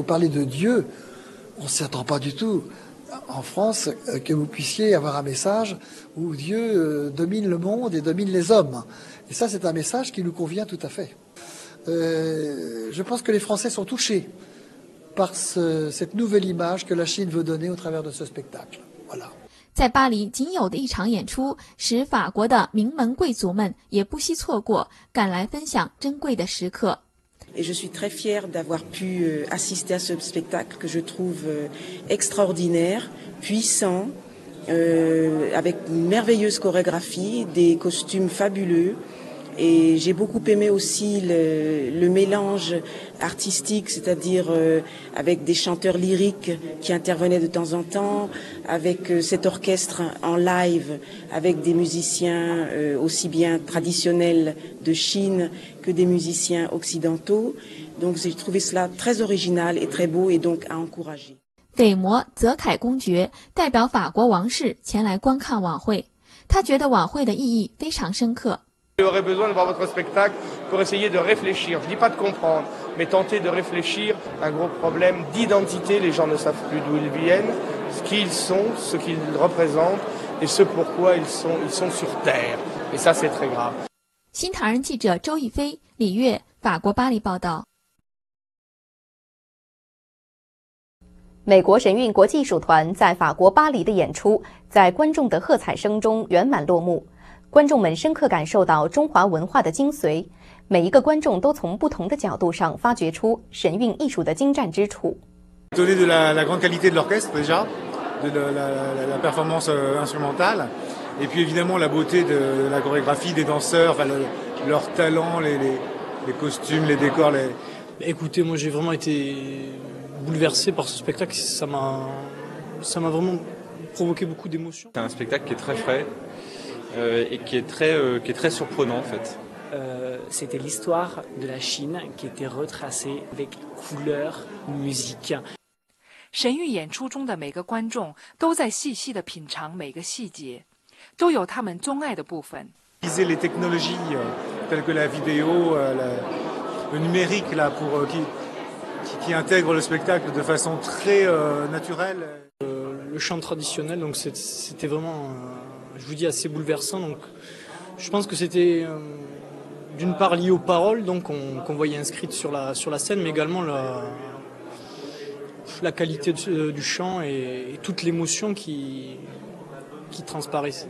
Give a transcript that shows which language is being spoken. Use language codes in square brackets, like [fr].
[fr] Vous parlez de Dieu, on ne s'y attend pas du tout. En France, que vous puissiez avoir un message où Dieu domine le monde et domine les hommes. Et ça, c'est un message qui nous convient tout à fait. Je pense que les Français sont touchés par cette nouvelle image que la Chine veut donner au travers de ce spectacle. Voilà. [zh] 在巴黎仅有的一场演出，使法国的名门贵族们也不惜错过，赶来分享珍贵的时刻。 [fr] Et je suis très fière d'avoir pu assister à ce spectacle que je trouve extraordinaire, puissant, avec une merveilleuse chorégraphie, des costumes fabuleux Et j'ai beaucoup aimé aussi le mélange artistique, c'est-à-dire avec des chanteurs lyriques qui intervenaient de temps en temps, avec cet orchestre en live, avec des musiciens aussi bien traditionnels de Chine que des musiciens occidentaux. Donc j'ai trouvé cela très original et très beau et donc à encourager. [zh] 斐摩泽凯公爵代表法国王室前来观看晚会，他觉得晚会的意义非常深刻。 [fr] J'aurais besoin de voir votre spectacle pour essayer de réfléchir. Je dis pas de comprendre, mais tenter de réfléchir un gros problème d'identité. Les gens ne savent plus d'où ils viennent, ce qu'ils sont, ce qu'ils représentent et ce pourquoi ils sont sur terre. Et ça, c'est très grave. [zh] 新唐人记者周逸飞、李月，法国巴黎报道。美国神韵国际艺术团在法国巴黎的演出在观众的喝彩声中圆满落幕，观众们深刻感受到中华文化的精髓，每一个观众都从不同的角度上发掘出神韵艺术的精湛之处。 [fr] Étonné de la grande qualité de l'orchestre déjà, de la performance instrumentale, et puis évidemment la beauté de la chorégraphie des danseurs, leur talent, les costumes, les décors. Écoutez, moi j'ai vraiment été bouleversé par ce spectacle, ça m'a vraiment provoqué beaucoup d'émotions. C'est un spectacle qui est très frais et qui est très surprenant en fait. C'était l'histoire de la Chine qui était retracée avec couleur, musique. [zh] 神韵演出中的每个观众都在细细地品尝每个细节，都有他们钟爱的部分。 [fr] Utiliser les technologies telles que la vidéo, le numérique là pour qui intègre le spectacle de façon très naturelle. Le chant traditionnel, donc c'était vraiment, je vous dis, assez bouleversant. Donc, je pense que c'était d'une part lié aux paroles donc, qu'on voyait inscrites sur la scène, mais également la qualité du chant et toute l'émotion qui transparaissait.